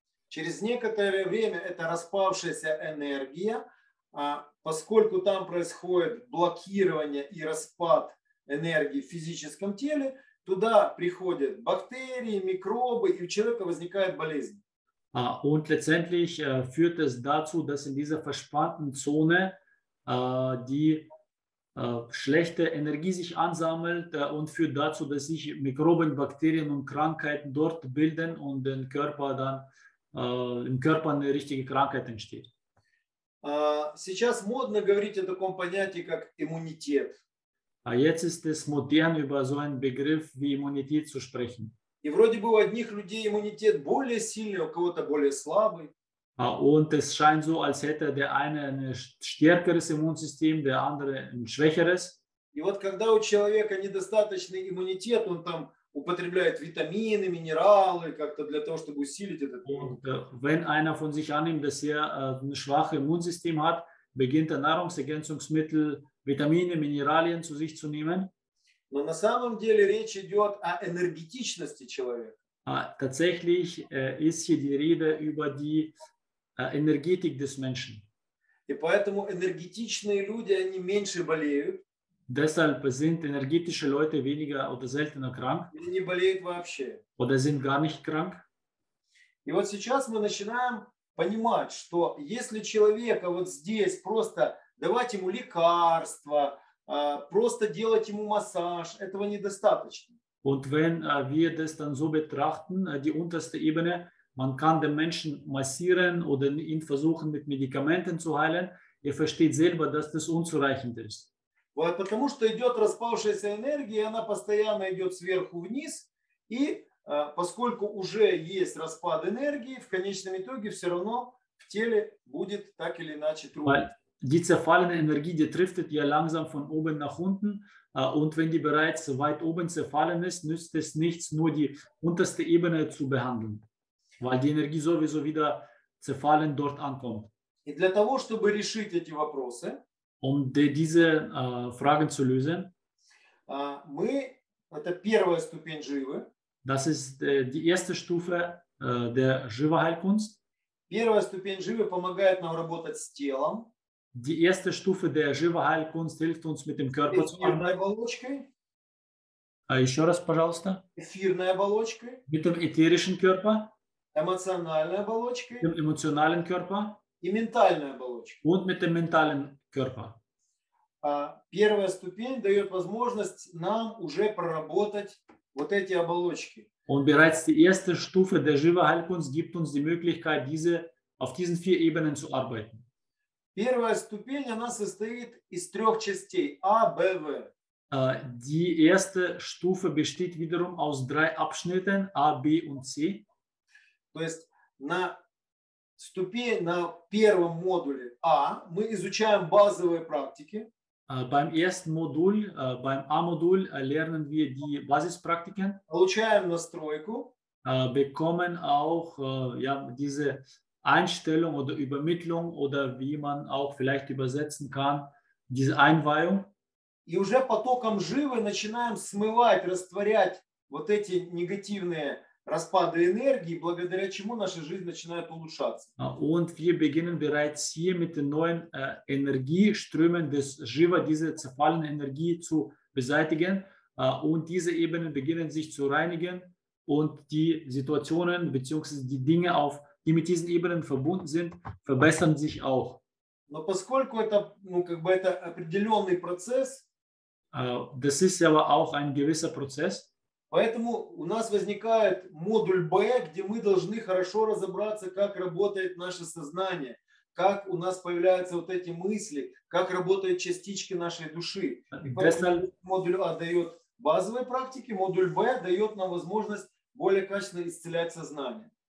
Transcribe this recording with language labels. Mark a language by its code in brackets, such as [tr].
[ru] Через некоторое время эта распавшаяся энергия, поскольку там происходит блокирование и распад энергии в физическом теле, туда приходят бактерии, микробы, и у человека возникает болезнь. [de] Und letztendlich führt es dazu, dass in dieser verspannten Zone die schlechte Energie sich ansammelt und führt dazu, dass sich Mikroben, Bakterien und Krankheiten dort bilden und den Körper dann im Körper eine richtige Krankheit entsteht. [ru] Сейчас модно говорить о таком понятии как иммунитет. [de] Jetzt ist es modern, über so einen Begriff wie Immunität zu sprechen. [ru] И вроде бы у одних людей иммунитет более сильный, у кого-то более слабый. [de] Und es scheint so, als hätte der eine ein stärkeres Immunsystem, der andere ein schwächeres. [ru] И вот когда у человека недостаточный иммунитет, он там употребляет витамины, минералы, как-то для того, чтобы усилить этот иммунитет. [de] Und wenn einer von sich annimmt, dass er ein schwaches Immunsystem hat, beginnt er Nahrungsergänzungsmittel, Vitamine, Mineralien zu sich zu nehmen. [ru] Но на самом деле речь идет о энергетичности человека. [de] Tatsächlich ist hier die Rede über die Energetik des Menschen. [ru] И поэтому энергетичные люди, они меньше болеют. [de] Deshalb sind energetische Leute weniger oder seltener krank. [ru] Или не болеют вообще. [de] Oder sind gar nicht krank. [ru] И вот сейчас мы начинаем понимать, что если человека вот здесь просто давать ему лекарства, просто делать ему массаж, этого недостаточно. [de] Und wenn wir das dann so betrachten, die unterste Ebene, man kann den Menschen massieren oder ihn versuchen, mit Medikamenten zu heilen. Ihr versteht selber, dass das unzureichend ist. [ru] Вот, потому что идет распавшаяся энергия, она постоянно идет сверху вниз. И поскольку уже есть распад энергии, в конечном итоге все равно в теле будет так или иначе трудно. [de] Die zerfallene Energie, die driftet ja langsam von oben nach unten. Und wenn die bereits weit oben zerfallen ist, nützt es nichts, nur die unterste Ebene zu behandeln, weil die Energie sowieso wieder zerfallen dort ankommt. [ru] И для того, чтобы решить эти вопросы, [de] um diese Fragen zu lösen, [ru] мы, это первая ступень живы, [de] das ist die erste Stufe der Jiva-Heilkunst. [ru] Первая ступень живы помогает нам работать с телом. [de] Die erste Stufe der Jiva-Heilkunst hilft uns, mit dem Körper zu arbeiten. [ru] Еще раз, пожалуйста. Эфирной оболочкой. [de] Mit dem ätherischen Körper. [ru] Эмоциональной оболочкой. [de] Mit dem emotionalen Körper. [ru] И ментальной оболочкой. [de] Und mit dem mentalen Körper. [ru] Первая ступень дает возможность нам уже проработать вот эти оболочки. [de] Und bereits die erste Stufe der Jiva-Heilkunst gibt uns die Möglichkeit, diese auf diesen vier Ebenen zu arbeiten. [ru] Первая ступень, она состоит из трех частей А, Б, В. [de] Die erste Stufe besteht wiederum aus drei Abschnitten A, B und C. [ru] То есть на ступени, на первом модуле А мы изучаем базовые практики. [de] Beim ersten Modul, beim A-Modul lernen wir die Basispraktiken. [ru] Получаем настройку. [de] Bekommen auch ja diese Einstellung oder Übermittlung oder wie man auch vielleicht übersetzen kann, diese Einweihung. [ru] И уже потоком живы начинаем смывать, растворять вот эти негативные распады энергии, благодаря чему наша жизнь начинает улучшаться. [de] Und wir beginnen bereits hier mit den neuen Energieströmen des Jiva, diese zerfallene Energie zu beseitigen. Und diese Ebenen beginnen sich zu reinigen und die Situationen bzw. die Dinge, auf, die mit diesen Ebenen verbunden sind, verbessern sich auch. [ru] Но поскольку это, ну, как бы это определенный процесс, [de] das ist aber auch ein gewisser Prozess. [ru] Поэтому у нас возникает модуль Б, где мы должны хорошо разобраться, как работает наше сознание, как у нас появляются вот эти мысли, как работают частички нашей души. Модуль А дает базовые практики, модуль Б дает нам возможность более качественно исцелять сознание.